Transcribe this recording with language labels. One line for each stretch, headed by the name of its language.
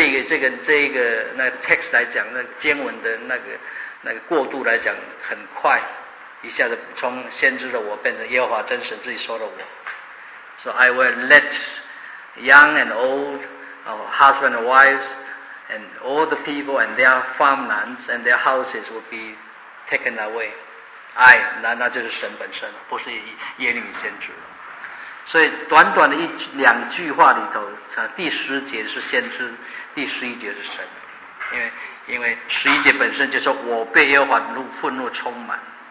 Chinese: 第三种就是年夫代妻，第四种年老的，跟日子满足的，快要就离世的那些，活到很长的日子的人，那这些人都要被擒拿。第五个，他的房子、田地、妻子要归别人，所以说这里就变成十一节，本来十节是我是先知哈，到十一节转到神的话说我，所以这个那 text 来讲，那经文的那个过渡来讲很快。一下子从先知的我变成耶和华真神自己说的我，
English: so I will let young and old, husband and wives, and all the people and their farmlands and their houses will be taken away.
Chinese: 那就是神本身了，不是耶利米先知了。所以短短的一两句话里头，第十节是先知，第十一节是神，因为十一节本身就说我被耶和华怒愤怒充满。